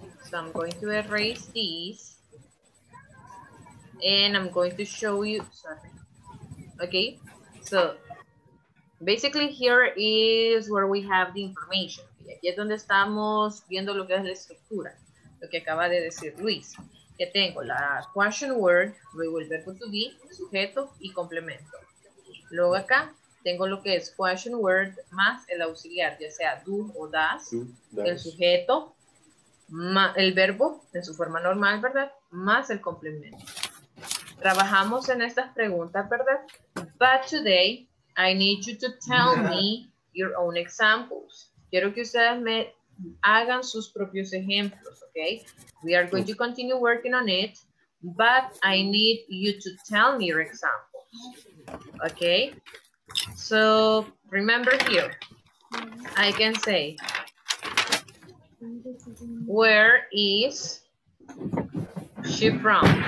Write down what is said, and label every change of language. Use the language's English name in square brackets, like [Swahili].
[English] So I'm going to erase these. And I'm going to show you. Sorry. Okay. So basically here is where we have the information. [Spanish] Y aquí es donde estamos viendo lo que es la estructura. Lo que acaba de decir Luis. Que tengo la question word, luego el verbo to be, sujeto y complemento. Luego acá tengo lo que es question word más el auxiliar, ya sea do o does, el sujeto, el verbo en su forma normal, ¿verdad? Más el complemento. Trabajamos en estas preguntas, ¿verdad? [English] But today, I need you to tell me your own examples. [Spanish] Quiero que ustedes me hagan sus propios ejemplos, ¿ok? [English] We are going to continue working on it, but I need you to tell me your examples. Okay. So remember here, I can say, where is she from?